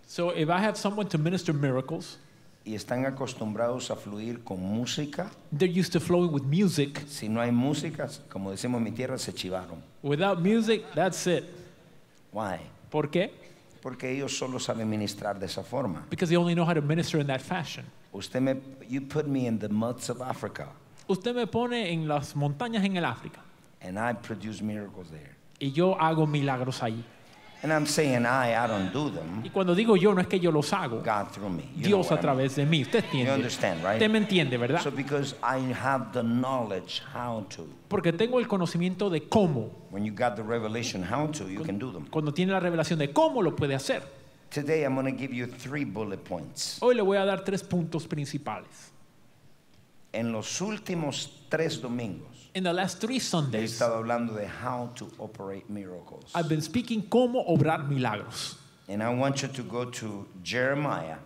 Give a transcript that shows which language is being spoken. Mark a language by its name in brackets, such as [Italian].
[English] So if I have someone to minister miracles, [Spanish] y están acostumbrados a fluir con música. [English] They're used to flowing with music. [Spanish] Si no hay música, como decimos en mi tierra, se chivaron. [English] Without music, that's it. Why? [Spanish] ¿Por qué? Porque ellos solo saben ministrar de esa forma. [English] Because they only know how to minister in that fashion. Usted me, you put me in the muds of Africa. [Spanish] Usted me pone en las montañas en el África. [English] And I produce miracles there. [Spanish] Y yo hago milagros allí. [English] And I'm saying I don't do them. [Spanish] Y cuando digo yo, no es que yo los hago. [English] God through me. [Spanish] Dios a través de mí. Usted entiende. [English] You understand, right? [Spanish] Usted me entiende, ¿verdad? [English] So because I have the knowledge how to. [Spanish] Porque tengo el conocimiento de cómo. [English] When you got the revelation how to, you can do them. [Spanish] Cuando tiene la revelación de cómo, lo puede hacer. [English] Today I'm going to give you 3 bullet points. [Spanish] Hoy le voy a dar 3 puntos principales. En los últimos 3 domingos. [English] In the last 3 Sundays, [Spanish] he estado hablando de how to operate miracles. [English] I've been speaking cómo obrar milagros. And I want you to go to Jeremiah.